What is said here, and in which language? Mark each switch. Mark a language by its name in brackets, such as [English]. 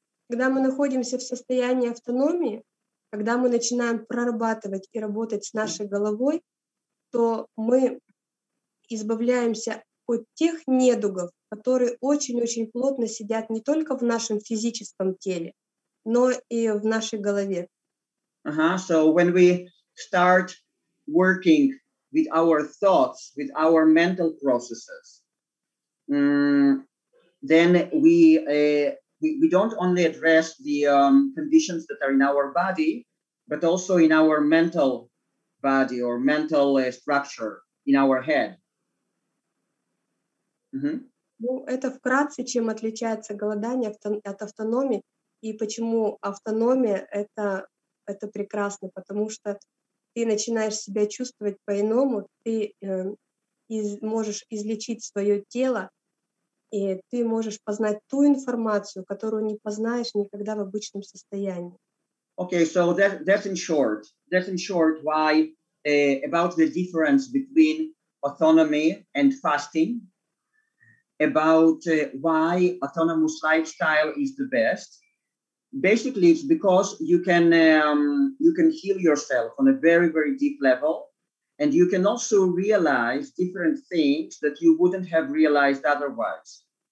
[Russian] Когда мы находимся в состоянии автономии, когда мы начинаем прорабатывать и работать с нашей головой, то мы избавляемся от тех недугов, которые очень-очень плотно сидят не только в нашем физическом теле, но и в нашей голове. Uh-huh. [English] So when we start working with our thoughts, with our mental processes, then we don't only address the conditions that are in our body, but also in our mental body or mental structure in our head. [Russian] Mm-hmm. Ну, это вкратце, чем отличается голодание от автономии и почему автономия это прекрасно, потому что ты начинаешь себя чувствовать по-иному, ты можешь излечить свое тело. И ты можешь познать ту информацию, которую не познаешь никогда в обычном состоянии. [English] Okay, so that's in short why about the difference between autonomy and fasting, about why autonomous lifestyle is the best. Basically, it's because you can heal yourself on a very, very deep level, and you can also realize different things that you wouldn't have realized otherwise.